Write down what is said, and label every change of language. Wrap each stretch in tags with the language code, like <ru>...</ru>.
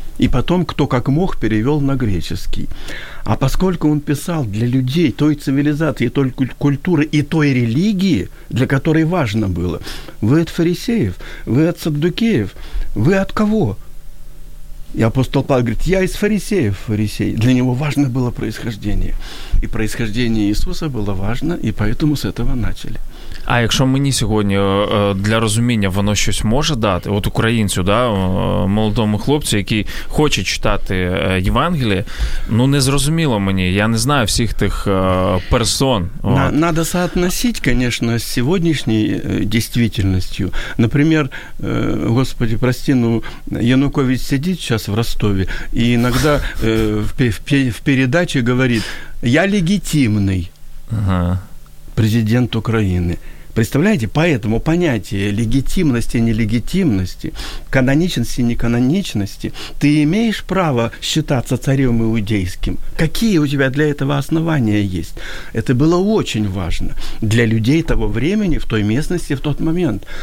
<ru>И потом, кто как мог, перевел на греческий. А поскольку он писал для людей той цивилизации, той культуры и той религии, для которой важно было, вы от фарисеев, вы от саддукеев, вы от кого? И апостол Павел говорит, я из фарисеев, фарисей. Для него важно было происхождение. И происхождение Иисуса было важно, и поэтому с этого начали.</ru> <uk>А якщо мені сьогодні для розуміння воно щось може дати, от українцю, да, молодому хлопцю, який хоче читати Євангеліє, ну не зрозуміло мені, я не знаю всіх тих персон.</uk> <ru>Надо соотносить, конечно,</ru> <uk>з сьогоднішньою дійсністю. Наприклад, Господи, прости, ну Янукович сидить</uk> <ru>сейчас</ru> <uk>в Ростові і иногда в передачі говорить: "Я легітимний".</uk> <ru>Ага. Президент Украины. Представляете, поэтому понятие легитимности, нелегитимности, каноничности, неканоничности, ты имеешь право считаться царем иудейским. Какие у тебя для этого основания есть? Это было очень важно для людей того времени, в той местности, в тот момент.</ru>